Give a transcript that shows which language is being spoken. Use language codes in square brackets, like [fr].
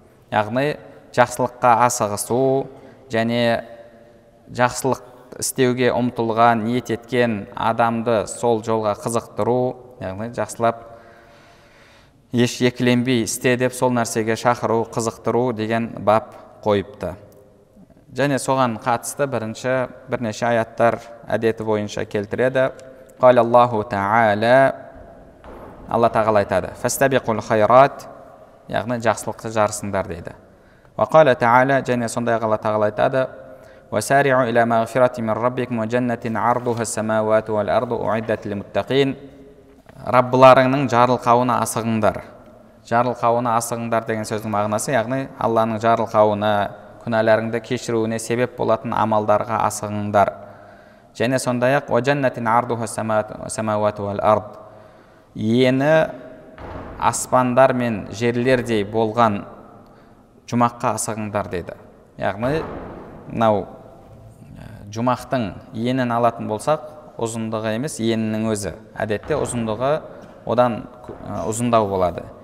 [kk] Яғни жақсылыққа асығысу және жақсылық істеуге ұмтылған, ниет еткен адамды сол жолға қызықтыру, яғни жақсылап еш екіленбей істе деп сол нәрсеге шақыру, қызықтыру деген бап қойыпты. Және соған қатысты бірнеше аяттар әдеті бойынша келтіреді. [ar] Қал Аллаху тааля, [kk] Алла тағала айтады: [ar] "Фастабиқул хайрат", [kk] яғни жақсылықты жарысыңдар дейді. [ar] Ва қала тааля, [kk] және сондай Алла тағала айтады: [ar] وسارعوا الى مغفره من ربكم وجنه عرضها السماوات والارض اعدت للمتقين. [kk] Раббарыңның жарылқауына асығыңдар. Жарылқауына асығыңдар деген сөздің мағынасы, яғни Алланың жарылқауына, күнәлеріңді кешіруіне себеп болатын амалдарға асығыңдар. Және сондай-ақ [ar] وجنه عرضها السماوات والارض. [kk] Ені аспандар мен жерлердей болған жұмаққа асығыңдар деді. Яғни мынау жұмақтың енін алатын болсақ, ұзындығы емес, енінің өзі. Әдетте ұзындығы одан ұзындау болады.